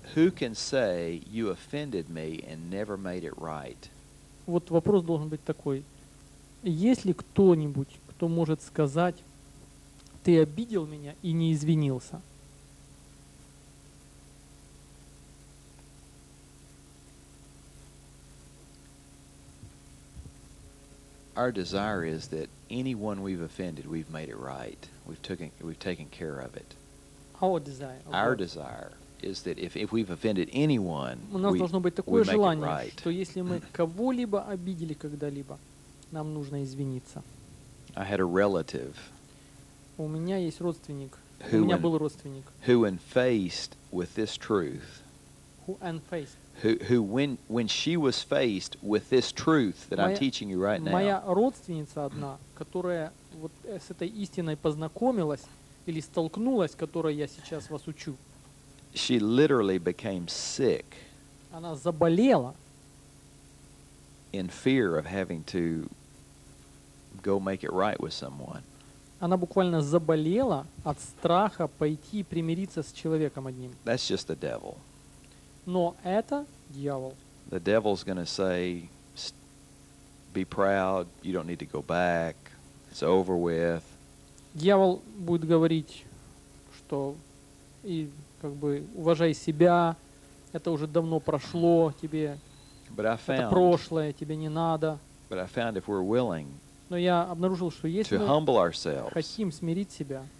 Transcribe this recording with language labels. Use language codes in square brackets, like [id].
[en] Who can say you offended me and never made it right? [ru] Вот вопрос должен быть такой. Есть ли кто-нибудь, кто может сказать, ты обидел меня и не извинился? [en] Our desire is that anyone we've offended, we've made it right. We've taken care of it. Our desire. Okay. Our desire is that if we've offended anyone, we make it right. [ru] У нас должно быть такое желание, что если мы кого-либо обидели когда-либо, нам нужно извиниться. [en] I had a relative. [ru] У меня есть родственник. У меня был родственник. [en] Who, when faced with this truth? Who unfaced? Who when she was faced with this truth that I'm teaching you right now. [ru] Моя родственница одна, которая вот с этой истиной познакомилась или столкнулась, которой я сейчас вас учу. [en] She literally became sick. [ru] Она заболела. [en] In fear of having to go make it right with someone. [ru] Она буквально заболела от страха пойти примириться с человеком одним. [en] That's just the devil. [ru] Но это дьявол. [en] The devil's going to say, be proud, you don't need to go back, it's over with. [ru] Дьявол будет говорить, что и как бы уважай себя, это уже давно прошло тебе, это прошлое, тебе не надо. [en] But I found if we're willing [ru] Но я обнаружил, что если мы хотим смирить себя,